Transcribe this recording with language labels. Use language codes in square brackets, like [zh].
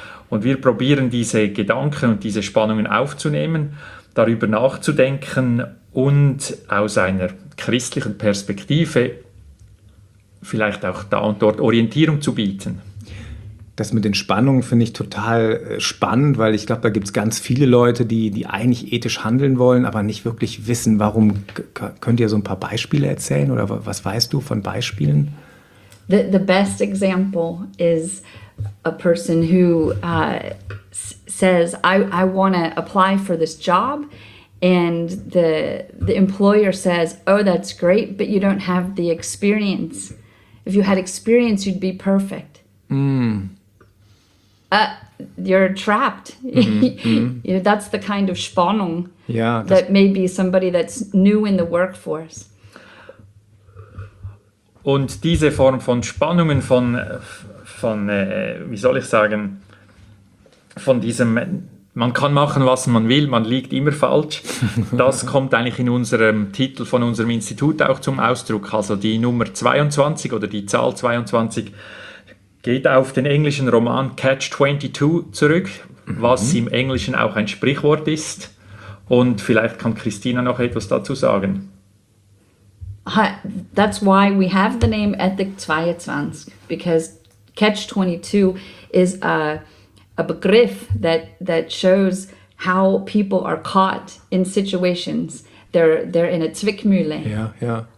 [de] Und wir probieren, diese Gedanken und diese Spannungen aufzunehmen, darüber nachzudenken und aus einer christlichen Perspektive vielleicht auch da und dort Orientierung zu bieten. Das mit den Spannungen finde ich total spannend, weil ich glaube, da gibt es ganz viele Leute, die eigentlich ethisch handeln wollen, aber nicht wirklich wissen, warum. Könnt ihr so ein paar Beispiele erzählen oder was weißt du von Beispielen? [en] The best example is a person who says, I want to apply for this job and the employer says, oh, that's great, but you don't have the experience. If you had experience, you'd be perfect. You're trapped. Mm-hmm. You know, that's the kind of Spannung, yeah, that may be somebody that's new in the workforce. [de] Und diese Form von Spannungen von wie soll ich sagen, von diesem, man kann machen, was man will, man liegt immer falsch, das kommt eigentlich in unserem Titel von unserem Institut auch zum Ausdruck. Also die Nummer 22 oder die Zahl 22 geht auf den englischen Roman Catch 22 zurück, was im Englischen auch ein Sprichwort ist. Und vielleicht kann Christina noch etwas dazu sagen. [en] That's why we have the name Ethik 22, because Catch 22 is a Begriff that shows how people are caught in situations. They're in a Zwickmühle. Yeah, yeah.